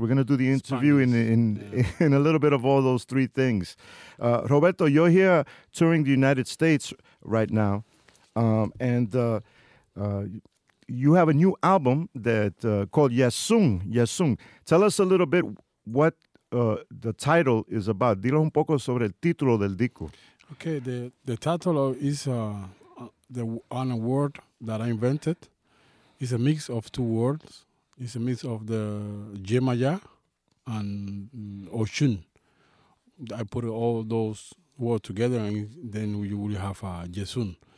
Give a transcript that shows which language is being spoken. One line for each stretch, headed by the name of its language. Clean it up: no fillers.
English: We're going to do the interview in a little bit of all those three things. Roberto, you're here touring the United States right now, you have a new album that called Yesung. Yesung. Tell us a little bit what the title is about.
Spanish: Dilo un poco sobre el título del disco.
English: Okay, the title is on a word that I invented. It's a mix of two words. It's a mix of the Jemaya and Oshun. I put all those words together, and then you will have a Yesung.